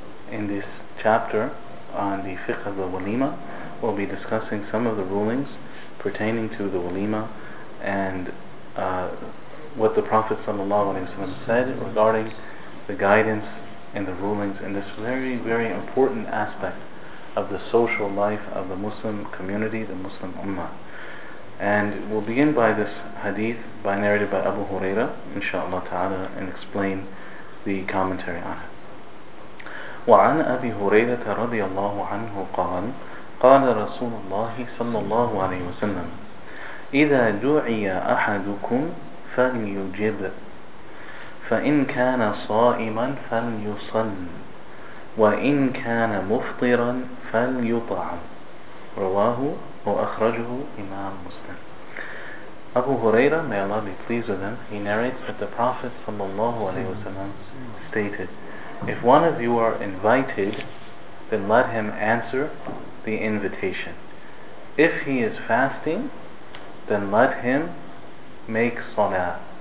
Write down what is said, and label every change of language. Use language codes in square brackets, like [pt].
[en] In this chapter on the fiqh of the walima, we'll be discussing some of the rulings pertaining to the walima and what the Prophet ﷺ said regarding the guidance and the rulings in this very, very important aspect of the social life of the Muslim community, the Muslim ummah. And we'll begin by this hadith, by narrated by Abu Huraira, inshaAllah ta'ala, and explain the commentary on it. [ar] وَعَنْ أَبِي هُرَيْرَةَ رَضِيَ اللَّهُ عَنْهُ قَالَ قال رسول الله صلى الله عليه وسلم إذا دعي أحدكم فليجب فإن كان صائما فليصل وإن كان مفطرا فليطعم رواه وأخرجه إمام مسلم. [en] أبو هريرة, may Allah be pleased with him, he narrates that the Prophet [ar] صلى الله عليه وسلم [en] stated, if one of you are invited, then let him answer the invitation. If he is fasting, then let him make salah.